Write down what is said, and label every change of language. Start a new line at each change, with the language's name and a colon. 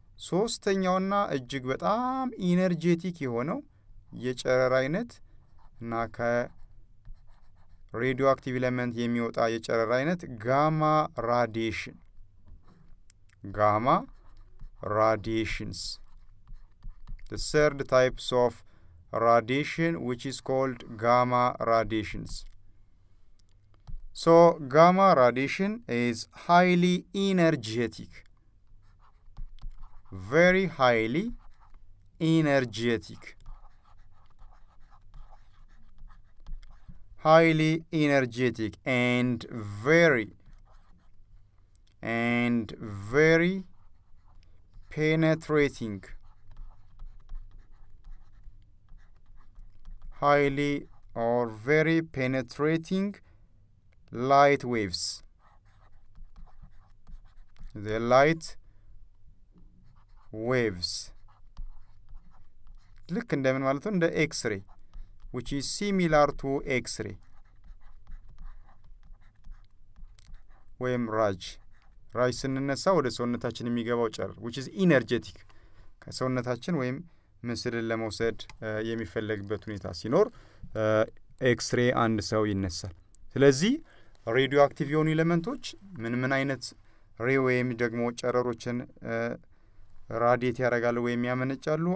Amharic: ሶስተኛውና እጅግ በጣም energetic የሆነው የጨረር አይነት እና ከradioactive element የሚወጣ የጨረር አይነት gamma radiations.
English: The third type of radiation which is called gamma radiations. So gamma radiation is highly energetic. Very highly energetic. Highly energetic and very penetrating. Highly or very penetrating light waves. The light waves.
Amharic: ልክ እንደምን ማለት እንደ ኤክስሬ
English: which is similar to x-ray.
Amharic: ወይም ራጅ ራጅ ስንነሳ ወደ ሰውነታችን የሚገባው ጨረር
English: which is energetic.
Amharic: ከሰውነታችን ወይም ምስልን ለመውሰድ የሚፈልግበት ሁኔታ ሲኖር ኤክስሬ አንድ ሰው ይነሳል። ስለዚህ radioactive ion elementsዎች ምን ምን አይነት ሬ ወይም ደግሞ ጨረሮችን ራዲየት ያደርጋሉ ወይም ያመነጫሉ?